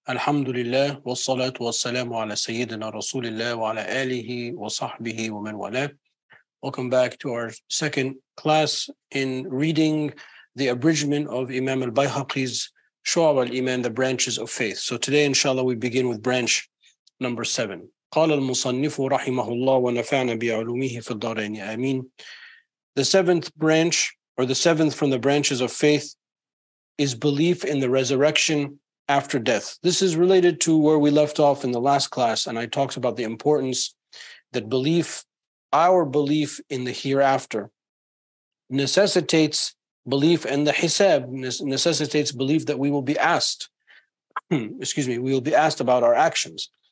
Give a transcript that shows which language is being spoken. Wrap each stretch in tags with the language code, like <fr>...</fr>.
<ar>الحمد لله والصلاة والسلام على سيدنا رسول الله وعلى آله وصحبه ومن والاه.</ar> <en>Welcome back to our second class in reading the abridgment of Imam al-Bayhaqi's شعب الإيمان, the branches of faith. So today, inshallah, we begin with branch number 7.</en> <ar>قال المصنف رحمه الله ونفعنا بعلومه في الدارين آمين.</ar> <en>The seventh branch, or the seventh from the branches of faith, is belief in the resurrection after death. This is related to where we left off in the last class, and I talked about the importance that belief, our belief in the hereafter, necessitates belief in the hisab, necessitates belief that we will be asked, we will be asked about our actions.</en>